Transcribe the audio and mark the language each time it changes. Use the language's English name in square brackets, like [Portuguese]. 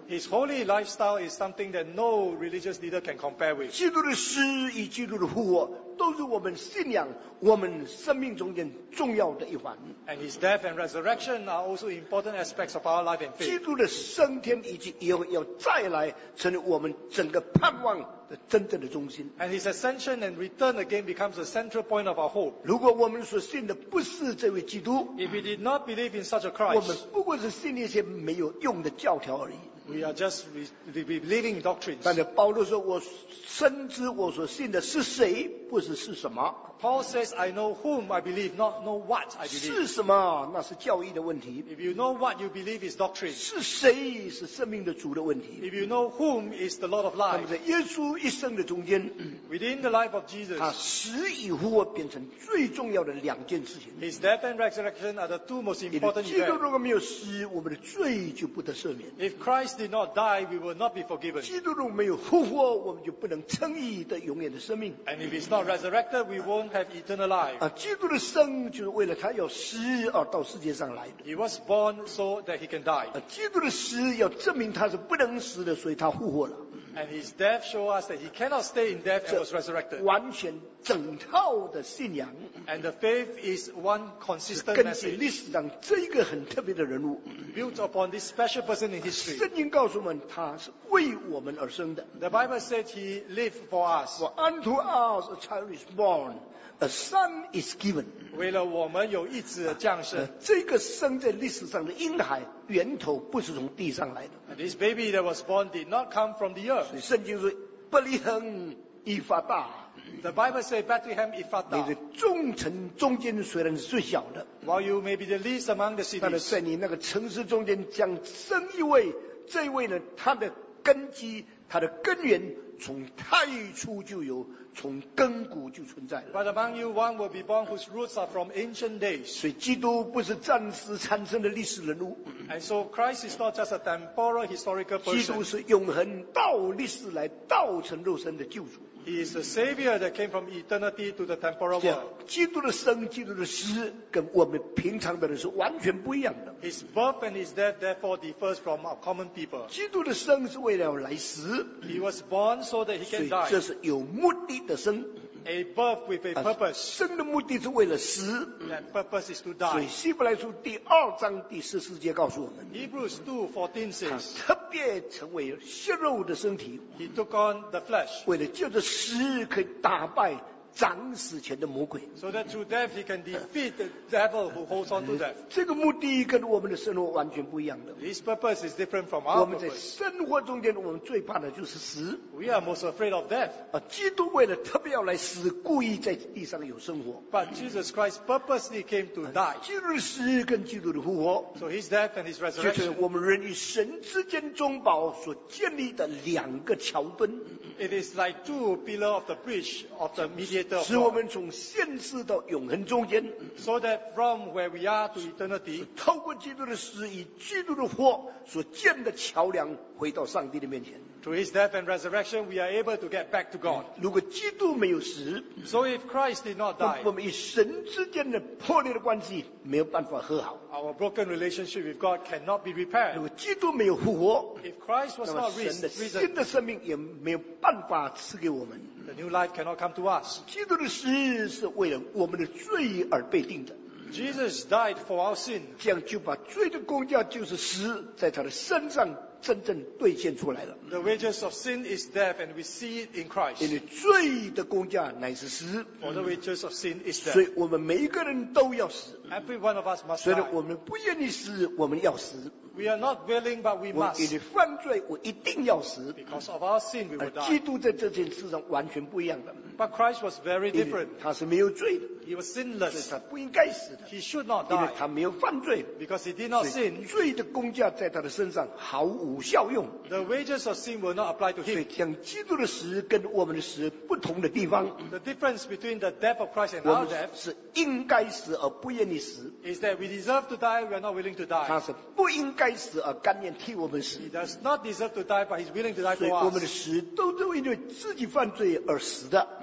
[English] His holy lifestyle is something that no religious leader can compare with. [Chinese] 基督的死与基督的复活都是我们信仰我们生命中间重要的一环。 [English] And his death and resurrection are also important aspects of our life and faith. [Chinese] 基督的升天以及以后要再来成为我们整个盼望的真正的中心。 [English] And his ascension and return again becomes the central point of our hope. [Chinese] 如果我们所信的不是这位基督， [English] If we did not believe in such a Christ, [Chinese] 我们不过是信一些没有用的教条而已。 [English] We are just believing doctrines. [Chinese] 但是保罗说，我深知我所信的是谁，不是是什么。 [English] Paul says, I know whom I believe, not know what I believe. [Chinese] 是什么？那是教义的问题。 [English] If you know what you believe is doctrine. [Chinese] 是谁？是生命的主的问题。 [English] If you know whom is the Lord of life. [Chinese] 在耶稣一生的中间 [English] ，within the life of Jesus. [Chinese] 他死与复活变成最重要的两件事情。 [English] His death and resurrection are the two most important events. [Chinese] 基督如果没有死，我们的罪就不得赦免。 [English] If Christ did not die, we will not be forgiven. [Chinese] 基督如果没有复活，我们就不能称义的永远的生命。 [English] And if he's not resurrected, we won't. Have eternal life. [Chinese] 基督的生就是为了他要死而到世界上来的。 [English] He was born so that he can die. [Chinese] 基督的死要证明他是不能死的，所以他复活了。 [English] And his death showed us that he cannot stay in death and was resurrected. [Chinese] 完全整套的信仰。 [English] And the faith is one consistent message. [Chinese] 根据历史上这一个很特别的人物。 [English] Built upon this special person in history. [Chinese] 圣经告诉我们他是为我们而生的。 [English] The Bible said he lived for us. For unto us a child is born. A son is given. [Chinese] 为了我们有一子的降生。这个生在历史上的婴孩源头不是从地上来的。 [English] And this baby that was born did not come from the earth. [Chinese] 所以圣经说伯利恒以法大。 [English] The Bible says Bethlehem Ephrathah. [Chinese] 你的众城中间虽然是最小的。 [English] While you may be the least among the cities. [Chinese] 但是在你那个城市中间将生一位，这位呢，他的根基，他的根源从太初就有，从根骨就存在了。 [English] But among you one will be born whose roots are from ancient days. [Chinese] 所以基督不是暂时产生的历史人物。 [English] And so Christ is not just a temporal historical person. [Chinese] 基督是永恒到历史来道成肉身的救主。 [English] He is the savior that came from eternity to the temporal world. [Chinese] 基督的生，基督的死，跟我们平常的人是完全不一样的。 [English] His birth and his death therefore differs from our common people. [Chinese] 基督的生是为了来死。 [English] He was born so that he can die. [Chinese] 所以这是有目的的生。 [English] A birth with a purpose. [Chinese] 生的目的是为了死。 [English] That purpose is to die. [Chinese] 所以希伯来书第二章第十四节告诉我们。 [English] Hebrews 2:14 says. [Chinese] 特别成为血肉的身体。 [English] He took on the flesh. [Chinese] 为了就是死可以打败掌死权的魔鬼。 [English] So that through death he can defeat the devil who holds on to death. [Chinese] 这个目的跟我们的生活完全不一样的。 [English] This purpose is different from our purpose. [Chinese] 我们在生活中间，我们最怕的就是死。 [English] We are most afraid of death. [Chinese] 基督为了特别要来死，故意在地上有生活。 [English] But Jesus Christ purposely came to die. [Chinese] 基督的死跟基督的复活。 [English] So his death and his resurrection. [Chinese] 就是我们人与神之间中保所建立的两个桥墩。 [English] It is like two pillars of the bridge of the mediator. [Chinese] 使我们从现世到永恒中间 [English] so that from where we are to eternity, [Chinese] 透过基督的死与基督的活所建的桥梁回到上帝的面前 [English] through his death and resurrection we are able to get back to God [Chinese] 如果基督没有死 [English] so if Christ did not die [Chinese] 我们与神之间的破裂的关系没有办法和好 [English] our broken relationship with God cannot be repaired [Chinese] 如果基督没有复活 [English] if Christ was not risen [Chinese] 那么神的新的生命也没有办法赐给我们 [English] The new life cannot come to us. [Chinese] 基督的死是为了我们的罪而被定的。 [English] Jesus died for our sin. [Chinese] 这样就把罪的工价就是死，在他的身上真正兑现出来了。 [English] The wages of sin is death, and we see it in Christ. [Chinese] 因为罪的工价乃是死。 [English] For the wages of sin is death. [Chinese] 所以我们每一个人都要死。 [English] Every one of us must die. [Chinese] 虽然我们不愿意死，我们要死。 [English] We are not willing, but we must. [Chinese] 因为犯罪，我一定要死。 [English] Because of our sin, we will die. [Chinese] 而基督在这件事上完全不一样的。 [English] But Christ was very different. [Chinese] 他是没有罪的。 [English] He was sinless. [Chinese] 所以他不应该死的。 [English] He should not die. [Chinese] 因为他没有犯罪。 [English] Because he did not sin. [Chinese] 罪的工价在他的身上毫无效用。 [English] The wages of sin will not apply to him. [Chinese] 所以像基督的死跟我们的死不同的地方。 [English] The difference between the death of Christ and our death. [Chinese] 我们是应该死而不愿意死。 [English] Is that we deserve to die, we are not willing to die. [Chinese] 他是不应该死而甘愿替我们死。 [English] He does not deserve to die, but he's willing to die for us. [Chinese] 所以我们的死都是因为自己犯罪而死的。